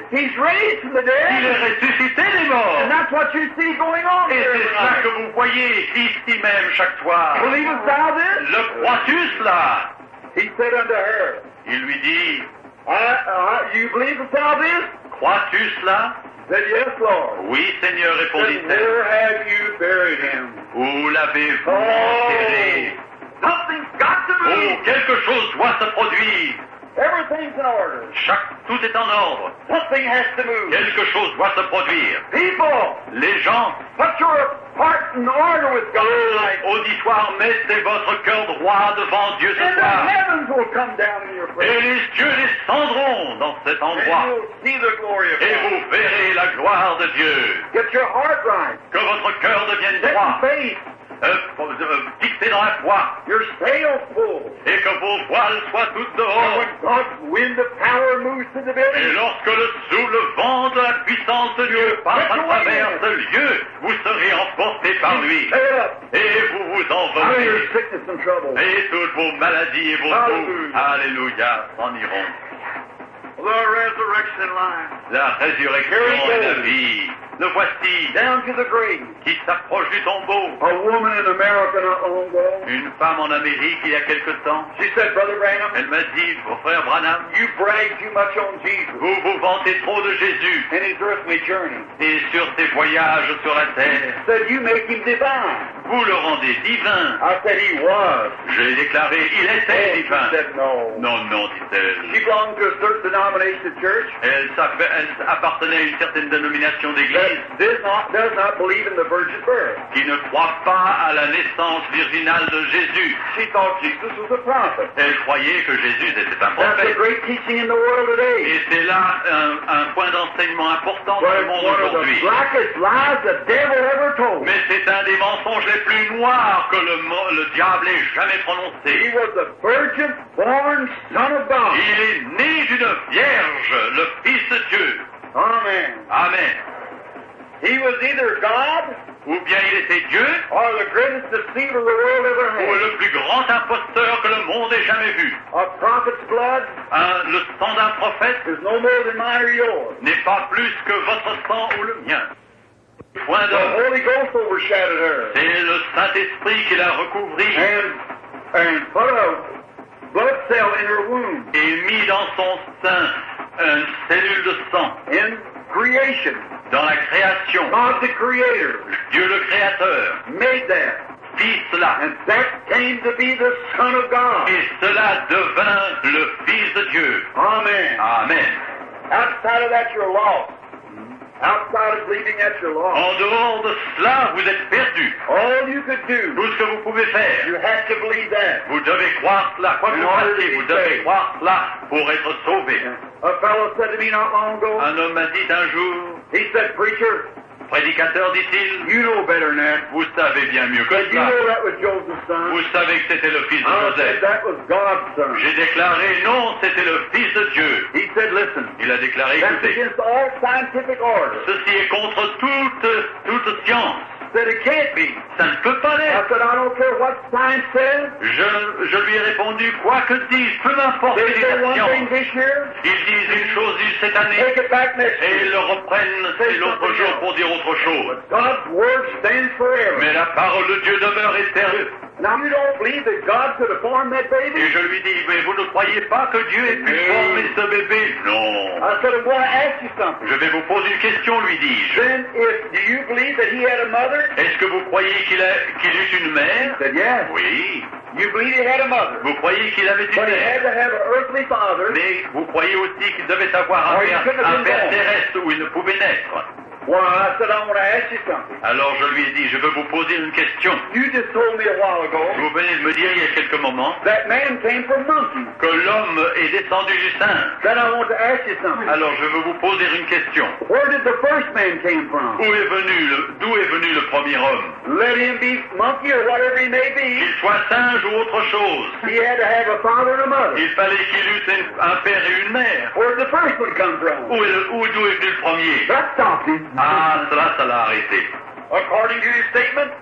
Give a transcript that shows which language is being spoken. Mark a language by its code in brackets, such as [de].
[en] He's raised from the dead. [fr] Il est ressuscité des morts. [en] And that's what you see going on. [fr] Et c'est ça que vous voyez ici même chaque soir. [en] Believest thou this? [fr] Le crois-tu cela? [en] He said unto her, [fr] Il lui dit, [en] you believe thou this? [fr] Crois-tu cela? [en] He said, yes, Lord. [fr] Oui, Seigneur, répondit-elle. [en] Where have you buried him? [fr] Où l'avez-vous enterré? [en] Something's got to move. [fr] Oh, quelque chose doit se produire. [en] Everything's in order. [fr] Tout est en ordre. [en] Something has to move. [fr] Quelque chose doit se produire. [en] People. [fr] Les gens. [en] Put your heart in order with God. [fr] Auditoire, mettez votre cœur droit devant Dieu ce [en] And [fr] soir. [en] And the heavens will come down in your place. [fr] Et les cieux descendront dans cet endroit. [en] And you'll see the glory of God. [fr] Et vous verrez la gloire de Dieu. [en] Get your heart right. [fr] Que votre cœur devienne droit. [en] Faith. [fr] Fixé dans la foi. [en] Your sail full. [fr] Et que vos voiles soient toutes dehors. [en] When God's wind of power moves to the village. [fr] Et lorsque le souffle vent de la puissance de Dieu passe à travers ce lieu, vous serez emporté par lui. Et vous vous envolez. Et toutes vos maladies et vos maux, alléluia, s'en iront. [en] The resurrection line. [fr] La résurrection et la vie. Le voici. [en] Down to the grave. [fr] Qui s'approche du tombeau. [en] A woman in America not long ago. [fr] Une femme en Amérique il y a quelque temps. [en] She said, Brother Branham. [fr] Elle m'a dit, frère Branham. [en] You brag too much on Jesus. [fr] Vous vous vantez trop de Jésus. [en] And his earthly journey. [fr] Et sur ses voyages sur la terre. [en] She said, you make him divine. [fr] Vous le rendez divin. [en] I said he was. [fr] J'ai déclaré, il était oh, divin. [en] She said, no. [fr] Non, non, dit-elle. [en] She belonged to a certain denomination of church. [fr] Elle appartenait à une certaine dénomination d'église. [en] Does not believe in the virgin birth. [fr] Qui ne croit pas à la naissance virginale de Jésus. [en] She thought Jesus was a prophet. [fr] Elle croyait que Jésus était un prophète. [en] That's a great teaching in the world today. [fr] Et c'est là un point d'enseignement important dans le monde aujourd'hui. [en] The blackest lies the devil ever told. [fr] Mais c'est un des mensonges les plus noirs que le diable ait jamais prononcé. [en] He was a virgin born son of God. [fr] Il est né d'une vierge, le Fils de Dieu. [en] Amen. [fr] Amen. [en] He was either God, [fr] ou bien il était Dieu, [en] or the greatest deceiver the world ever had. [fr] Ou le plus grand imposteur que le monde ait jamais vu. [en] A prophet's blood, [fr] le sang d'un prophète, [en] is no more than mine or yours. [fr] N'est pas plus que votre sang ou le mien. [en] Point the Holy Ghost overshadowed her. [fr] C'est le Saint-Esprit qui l'a recouvrie. [en] And put a blood cell in her womb. [fr] Et mis dans son sein une cellule de sang. [en] In creation. [fr] Dans la création. [en] God the Creator. [fr] Dieu le Créateur. [en] Made that. [fr] Fit cela. [en] And that came to be the Son of God. [fr] Et cela devint le Fils de Dieu. [en] Amen. [fr] Amen. [en] Outside of that, you're lost. Outside of believing that, you're lost. [fr] En dehors de cela, vous êtes perdu. [en] All you could do. [fr] Tout ce que vous pouvez faire. [en] You have to believe that. [fr] Vous devez croire cela. Quoi que vous fassiez, vous devez croire cela pour être sauvé. [en] A fellow said to me not long ago. [fr] Un homme m'a dit un jour. [en] He said, preacher, [fr] prédicateur, dit-il, [en] you know better than that. [fr] Vous savez bien mieux que [en] said, [fr] cela. [en] You know that was Joseph's son. [fr] Vous savez que c'était le fils de Joseph. [en] Said, that was God's son. [fr] J'ai déclaré, non, c'était le fils de Dieu. [en] He said, listen, [fr] il a déclaré, [en] that's [fr] écoutez, [en] against all scientific order. [fr] Ceci est contre toute science. [en] Said it can't be. [fr] Ça ne peut pas l'être. [en] I said, I don't care what science says. [fr] Je lui ai répondu, quoi que dise, peu m'importe [en] they [fr] la science. [en] One thing this year, [fr] ils disent une chose cette année [en] take it back next [fr] et ils le reprennent [en] say [fr] l'autre jour [en] else. [fr] Pour dire autre chose. [en] But God's word stands forever. [fr] Mais la parole de Dieu demeure éternelle. [en] Now you don't believe that God could have formed that baby? [fr] Et je lui dis, mais vous ne croyez pas que Dieu ait pu former ce bébé? Non. [en] I said, I'm going to ask you something. [fr] Je vais vous poser une question, lui dis-je. [en] Then, if do you believe that he had a mother? [fr] Est-ce que vous croyez qu'il eut une mère? [en] He said, yes. [fr] Oui. [en] You believe he had a mother? [fr] Vous croyez qu'il avait une [en] but [fr] mère? [en] But he had to have an earthly father. [fr] Mais vous croyez aussi qu'il devait avoir un père terrestre où il ne pouvait naître? [en] Well, I said, I want to ask you something. [fr] Alors je lui ai dit, je veux vous poser une question. [en] You just told me a while ago, [fr] vous venez de me dire il y a quelques moments [en] that man came from monkeys. [fr] Que l'homme est descendu du singe. [en] Then I want to ask you something. [fr] Alors je veux vous poser une question. [en] Where did the first man came from? [fr] D'où est venu le premier homme? [en] Let him be monkey or whatever he may be. [fr] Qu'il soit singe ou autre chose. [en] He had to have a father and a mother. [fr] Il fallait qu'il eût un père et une mère. [en] Where did the first one come from? [fr] D'où est venu le premier? [en] That stopped him. [fr] Ah, cela, ça l'a arrêté. [en] According to his statement,